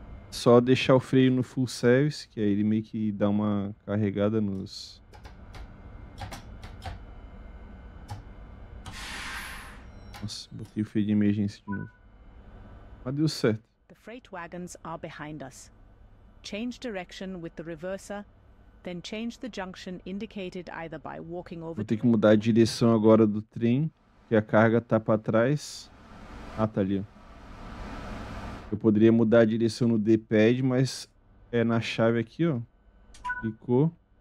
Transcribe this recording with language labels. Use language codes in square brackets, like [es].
[pt] Só deixar o freio no full service, que aí ele meio que dá uma carregada nos... Nossa, botei o freio de emergência de novo. Mas deu certo. [en] The freight wagons are behind us. Change direction with the reverser. Then change the junction indicated either by walking over. [pt] Vou ter que mudar a direção agora do trem. Que a carga tá para trás. Ah, tá ali. Eu poderia mudar a direção no D-pad, mas é na chave aqui, ó. Clicou.